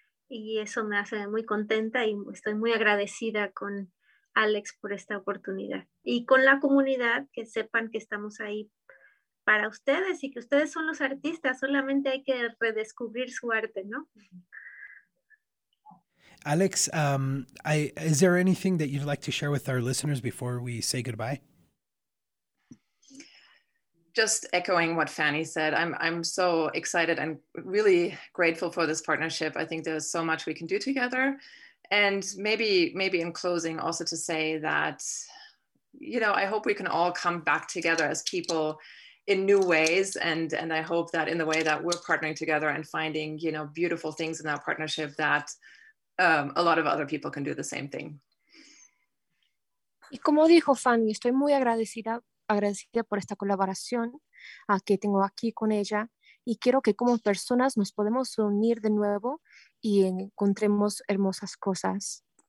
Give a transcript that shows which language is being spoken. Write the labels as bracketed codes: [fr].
[es] Y eso me hace muy contenta y estoy muy agradecida con Alex por esta oportunidad. Y con la comunidad, que sepan que estamos ahí para ustedes y que ustedes son los artistas, solamente hay que redescubrir su arte, ¿no? [en] Alex, is there anything that you'd like to share with our listeners before we say goodbye? Just echoing what Fanny said, I'm so excited and really grateful for this partnership. I think there's so much we can do together. And maybe in closing also to say that, you know, I hope we can all come back together as people in new ways. And I hope that in the way that we're partnering together and finding, you know, beautiful things in that partnership, that a lot of other people can do the same thing. [es] Y como dijo Fanny, estoy muy agradecida por esta colaboración que tengo aquí con ella. y quiero que como personas nos podemos unir de nuevo y encontremos hermosas cosas.